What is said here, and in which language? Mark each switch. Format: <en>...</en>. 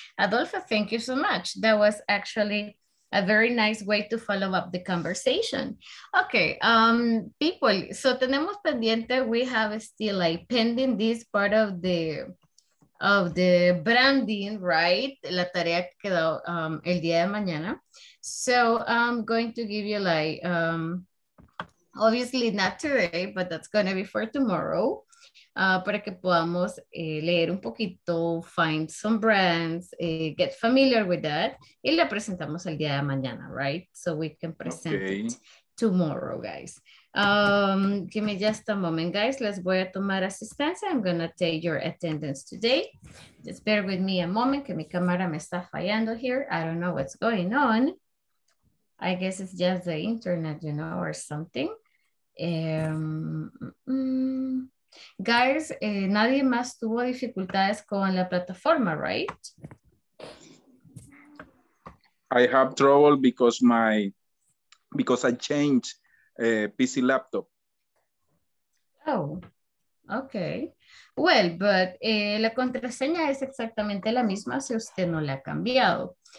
<en>Adolfo, thank you so much. That was actually a very nice way to follow up the conversation. Okay, people, so</en> <es>tenemos pendiente,</es> <en>we have still like pending this part of the branding, right?</en> <es>La tarea que quedó el día de mañana.</es> <en>So I'm going to give you like, obviously not today, but that's going to be for tomorrow,</en> <es>para que podamos leer un poquito,</es> <en>find some brands, get familiar with that,</en> <es>y la presentamos el día de mañana,</es> <en>right? So we can present okay. It tomorrow, guys. Give me just a moment, guys.</en> <es>Les voy a tomar asistencia.</es> <en>I'm going to take your attendance today. Just bear with me a moment,</en> <es>que mi cámara me está fallando</es> <en>here. I don't know what's going on. I guess it's just the internet, you know, or something.</en> <es>Guys, nadie más tuvo dificultades con la plataforma, right?</es> <en>I have trouble because I changed a PC laptop. Oh, okay. Well, but</en> <es>la contraseña es exactamente la misma si usted no la ha cambiado.</es>